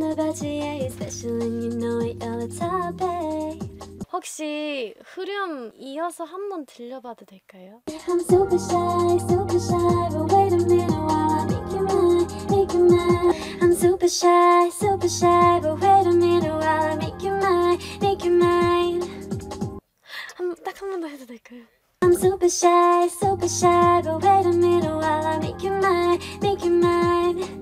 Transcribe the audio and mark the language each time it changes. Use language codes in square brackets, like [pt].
[en] Especially when you know it all the time, babe. [ko] 혹시 흐렴 이어서 한 번 들려봐도 될까요? [en] I'm super shy, super shy, but wait a minute while I make you mine, make you mine. I'm super shy, super shy, but wait a minute while I make you mine, make you mine. [ko] 딱 한 번 더 해도 될까요? [en] I'm super shy, super shy, but wait a minute while I make you mine, make you mine.